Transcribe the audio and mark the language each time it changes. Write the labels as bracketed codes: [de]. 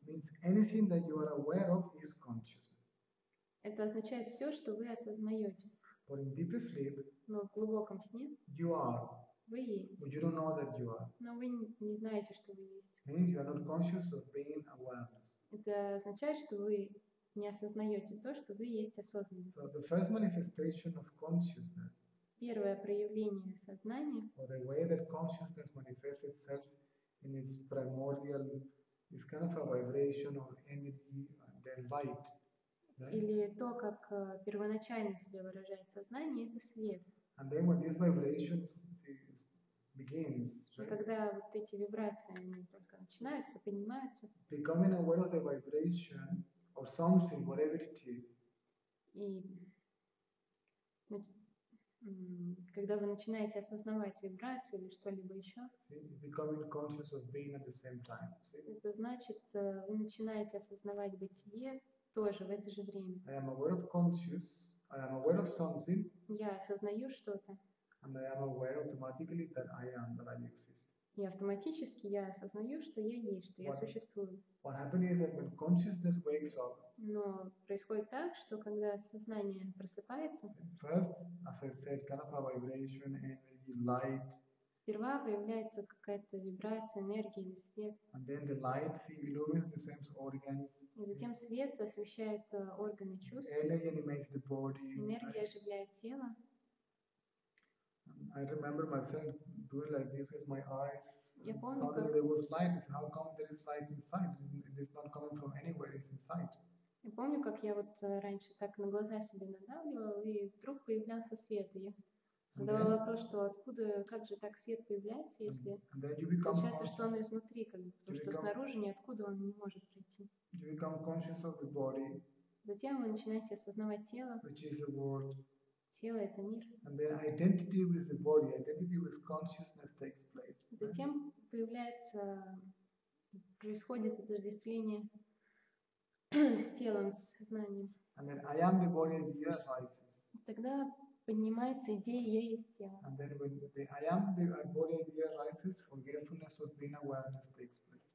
[en] means anything that you are aware of is consciousness. [ru] Это означает все, что вы осознаете. [en] But in deep sleep, [ru] но в глубоком сне [en] you are, [ru] вы есть. [en] But you don't know that you are. [ru] Но вы не знаете, что вы есть. [en] Means you are not conscious of being awareness. [ru] Это означает, что вы не осознаете то, что вы есть осознанность. [en] So the first manifestation of consciousness, [ru] первое проявление сознания, [en] or the way that consciousness manifests itself in its primordial is kind of a vibration of energy and then light. Right? [ru] Или то, как первоначально себя выражает сознание, это свет. [en] And then when these vibrations begins, [ru] И когда вот эти вибрации, они только начинаются, поднимаются. [en] Becoming aware of the vibration or something, whatever it is. [ru] И когда вы начинаете осознавать вибрацию или что-либо еще, [en] see, becoming conscious of being at the same time. See? [ru] Это значит, вы начинаете осознавать бытие тоже в это же время. [en] I am aware of conscious, I am aware of something. [ru] Я осознаю что-то. [en] And I am aware automatically that I am, that I exist. [ru] И автоматически я осознаю, что я есть, что я существую. [en] What happens is that when consciousness wakes up. [ru] Но происходит так, что когда сознание просыпается. [en] First, as I said, kind of a vibration, energy, light. [ru] Сперва появляется какая-то вибрация, энергия или свет. [en] And then the light, see, illumines the sense organs. [ru] И затем свет освещает органы чувств. [en] Energy animates the body. [ru] Энергия оживляет тело. [en] I remember myself doing like this with my eyes. [ru] Я помню, [en] suddenly there was light. How come there is light inside? It's not coming from anywhere. It's inside. [ru] Я помню, как я вот раньше так на глаза себе надавливал, и вдруг появлялся свет. И я задавал вопрос, что откуда, как же так свет появляется, если получается, что он изнутри, как бы, потому что снаружи ниоткуда он не может прийти. [en] You become conscious of the body. [ru] Затем вы начинаете осознавать тело. [en] Which is the world. [ru] Тело — это мир. [en] And then identity with the body, identity with consciousness takes place. [ru] Затем появляется, происходит отождествление с телом, с сознанием. [en] And then I am the body idea arises. [ru] Тогда поднимается идея «я есть тело». [en] And then when the I am the body idea arises, forgetfulness of being awareness takes place.